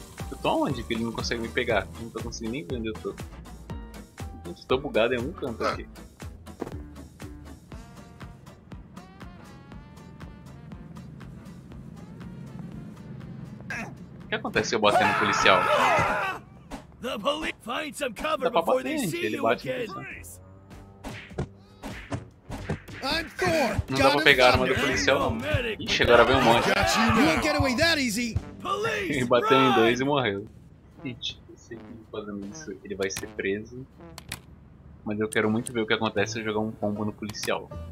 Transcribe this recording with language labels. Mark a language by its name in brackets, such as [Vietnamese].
[Portuguese] Eu tô onde? Que ele não consegue me pegar. Não tô conseguindo nem ver onde eu tô. Estou bugado em um canto aqui. O que acontece se eu bater no policial? [English] The police find some cover before they see you again. I'm Thor. [Portuguese] Não dá pra pegar a arma do policial, não. Ixi, agora vem um monte. [English] You won't get away that easy. Police. [Portuguese] Ele bateu em dois e morreu. Gente, esse aqui fazendo isso, ele vai ser preso. Mas eu quero muito ver o que acontece se eu jogar um pombo no policial.